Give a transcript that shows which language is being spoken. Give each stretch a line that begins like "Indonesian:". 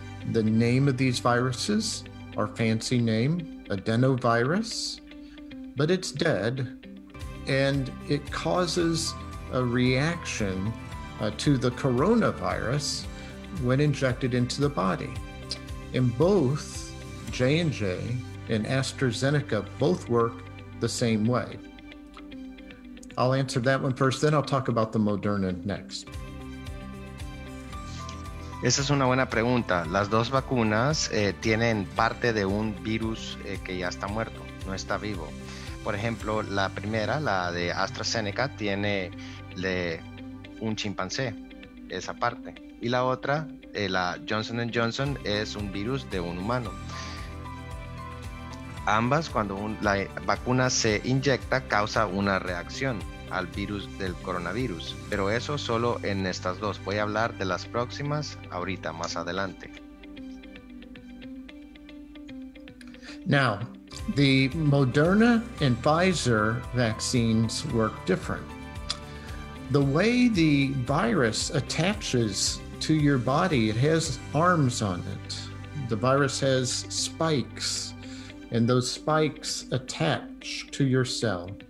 English: The name of these viruses are fancy name, adenovirus, but it's dead, and it causes a reaction to the coronavirus when injected into the body. And both J&J and AstraZeneca both work the same way. I'll answer that one first, then I'll talk about the Moderna next.
Spanish: Esa es una buena pregunta. Las dos vacunas tienen parte de un virus que ya está muerto, no está vivo. Por ejemplo, la primera, la de AstraZeneca, tiene de un chimpancé, esa parte. Y la otra, la Johnson & Johnson, es un virus de un humano. Ambas, cuando la vacuna se inyecta, causa una reacción al virus del coronavirus, pero eso solo en estas dos. Voy a hablar de las próximas ahorita, más adelante.
English: Now, the Moderna and Pfizer vaccines work different. The way the virus attaches to your body, it has arms on it. The virus has spikes, and those spikes attach to your cell.